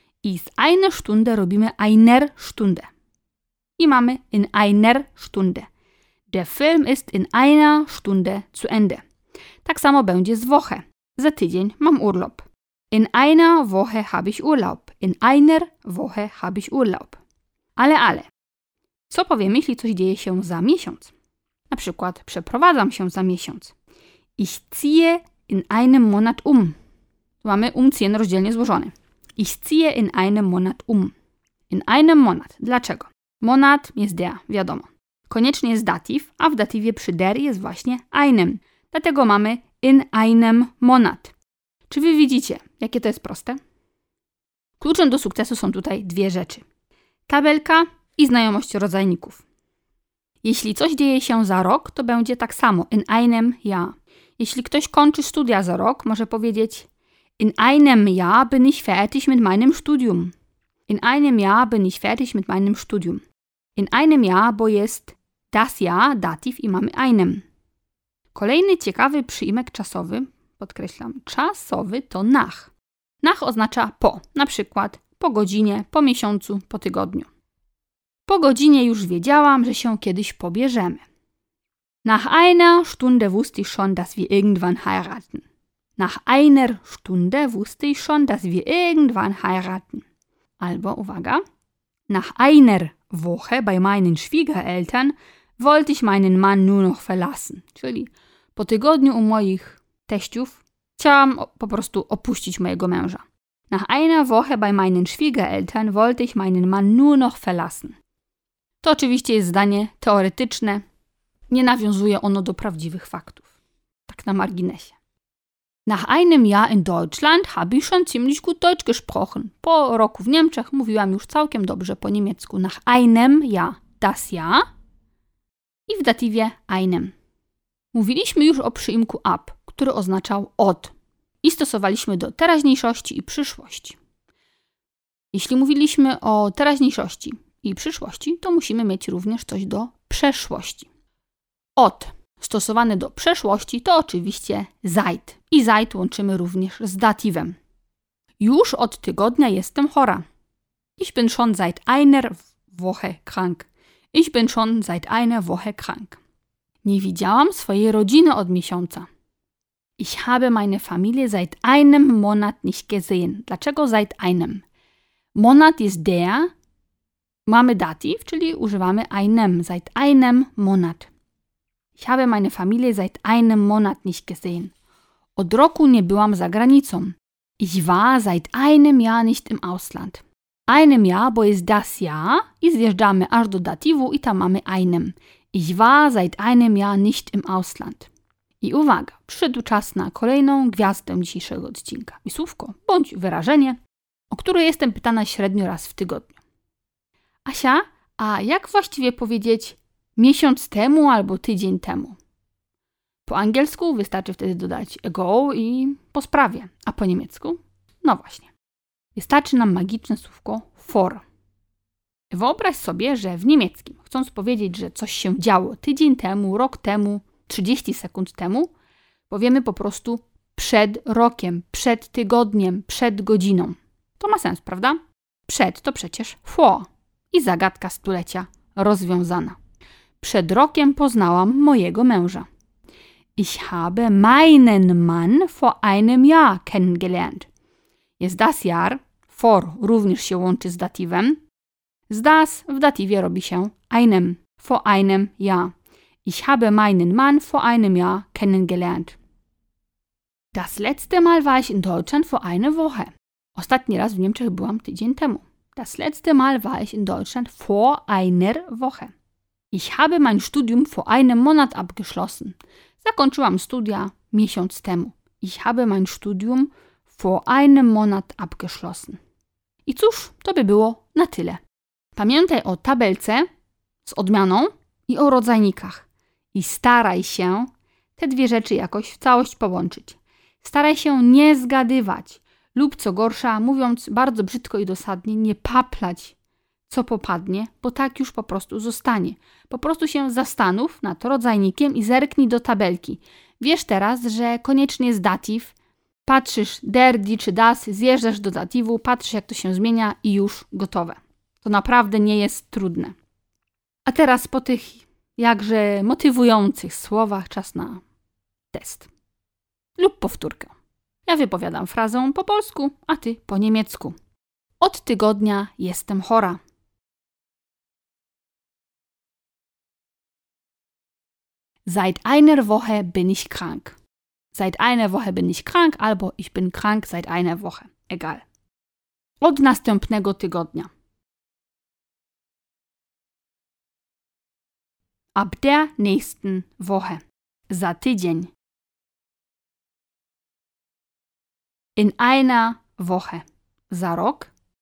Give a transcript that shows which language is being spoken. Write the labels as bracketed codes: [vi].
[de] I z einer Stunde [pl] robimy [de] einer Stunde. [pl] I mamy [de] in einer Stunde. Der Film ist in einer Stunde zu Ende. [pl] Tak samo będzie z Woche. Za tydzień mam urlop. [de] In einer Woche habe ich Urlaub. In einer Woche habe ich Urlaub. [pl] Ale. Co powiem, jeśli coś dzieje się za miesiąc? Na przykład przeprowadzam się za miesiąc. [de] Ich ziehe in einem Monat um. [pl] Tu mamy umziehen rozdzielnie złożony. [de] Ich ziehe in einem Monat um. In einem Monat. [pl] Dlaczego? Monat jest der, wiadomo. Koniecznie jest dativ, a w datywie przy der jest właśnie einem. Dlatego mamy [de] in einem Monat. [pl] Czy wy widzicie, jakie to jest proste? Kluczem do sukcesu są tutaj dwie rzeczy. Tabelka i znajomość rodzajników. Jeśli coś dzieje się za rok, to będzie tak samo. [de] In einem Jahr. [pl] Jeśli ktoś kończy studia za rok, może powiedzieć [de] in einem Jahr bin ich fertig mit meinem Studium. In einem Jahr bin ich fertig mit meinem Studium. In einem Jahr, [pl] bo jest [de] das Jahr, dativ [pl] i mamy [de] einem. [pl] Kolejny ciekawy przyimek czasowy, podkreślam, czasowy to nach. Nach oznacza po, na przykład po godzinie, po miesiącu, po tygodniu. Po godzinie już wiedziałam, że się kiedyś pobierzemy. [de] Nach einer Stunde wusste ich schon, dass wir irgendwann heiraten. Nach einer Stunde wusste ich schon, dass wir irgendwann heiraten. [pl] Albo, uwaga, [de] nach einer Woche bei meinen Schwiegereltern wollte ich meinen Mann nur noch verlassen. [pl] Czyli po tygodniu u moich teściów chciałam po prostu opuścić mojego męża. [de] Nach einer Woche bei meinen Schwiegereltern wollte ich meinen Mann nur noch verlassen. [pl] To oczywiście jest zdanie teoretyczne. Nie nawiązuje ono do prawdziwych faktów. Tak na marginesie. [de] Nach einem Jahr in Deutschland habe ich schon ziemlich gut Deutsch gesprochen. [pl] Po roku w Niemczech mówiłam już całkiem dobrze po niemiecku. [de] Nach einem Jahr, das Jahr. [pl] I w datywie einem. Mówiliśmy już o przyimku ab, który oznaczał od. I stosowaliśmy do teraźniejszości i przyszłości. Jeśli mówiliśmy o teraźniejszości i przyszłości, to musimy mieć również coś do przeszłości. Od stosowane do przeszłości to oczywiście seit. I seit łączymy również z datywem. Już od tygodnia jestem chora. [de] Ich bin schon seit einer Woche krank. Ich bin schon seit einer Woche krank. [pl] Nie widziałam swojej rodziny od miesiąca. [de] Ich habe meine Familie seit einem Monat nicht gesehen. [pl] Dlaczego [de] seit einem? Monat ist der. [pl] Mamy dativ, czyli używamy einem. [de] Seit einem Monat. Ich habe meine Familie seit einem Monat nicht gesehen. [pl] Od roku nie byłam za granicą. [de] Ich war seit einem Jahr nicht im Ausland. Einem Jahr, [pl] bo jest das Jahr i zjeżdżamy aż do datywu i tam mamy einem. [de] Ich war seit einem Jahr nicht im Ausland. [pl] I uwaga, przyszedł czas na kolejną gwiazdę dzisiejszego odcinka. I słówko, bądź wyrażenie, o który jestem pytana średnio raz w tygodniu. Asia, a jak właściwie powiedzieć miesiąc temu albo tydzień temu? Po angielsku wystarczy wtedy dodać ago i po sprawie, a po niemiecku? No właśnie. Wystarczy nam magiczne słówko vor. Wyobraź sobie, że w niemieckim, chcąc powiedzieć, że coś się działo tydzień temu, rok temu, 30 sekund temu, powiemy po prostu przed rokiem, przed tygodniem, przed godziną. To ma sens, prawda? Przed to przecież vor i zagadka stulecia rozwiązana. Przed rokiem poznałam mojego męża. [de] Ich habe meinen Mann vor einem Jahr kennengelernt. [pl] Jest das Jahr, vor również się łączy z datywem. Z das w datywie robi się einem, [de] vor einem Jahr. Ich habe meinen Mann vor einem Jahr kennengelernt. Das letzte Mal war ich in Deutschland vor einer Woche. [pl] Ostatni raz w Niemczech byłam tydzień temu. [de] Das letzte Mal war ich in Deutschland vor einer Woche. Ich habe mein Studium vor einem Monat abgeschlossen. [pl] Zakończyłam studia miesiąc temu. [de] Ich habe mein Studium vor einem Monat abgeschlossen. [pl] I cóż, to by było na tyle. Pamiętaj o tabelce z odmianą i o rodzajnikach. I staraj się te dwie rzeczy jakoś w całość połączyć. Staraj się nie zgadywać lub co gorsza, mówiąc bardzo brzydko i dosadnie, nie paplać co popadnie, bo tak już po prostu zostanie. Po prostu się zastanów nad rodzajnikiem i zerknij do tabelki. Wiesz teraz, że koniecznie jest datyw. Patrzysz der, die czy das, zjeżdżasz do datywu, patrzysz jak to się zmienia i już gotowe. To naprawdę nie jest trudne. A teraz po tych jakże motywujących słowach czas na test. Lub powtórkę. Ja wypowiadam frazę po polsku, a ty po niemiecku. Od tygodnia jestem chora. [de] Seit einer Woche bin ich krank. Seit einer Woche bin ich krank, [pl] albo [de] ich bin krank seit einer Woche. Egal. [pl] Od następnego tygodnia. [de] Ab der nächsten Woche. [pl] Za tydzień. [de] In einer Woche. [pl] Za rok.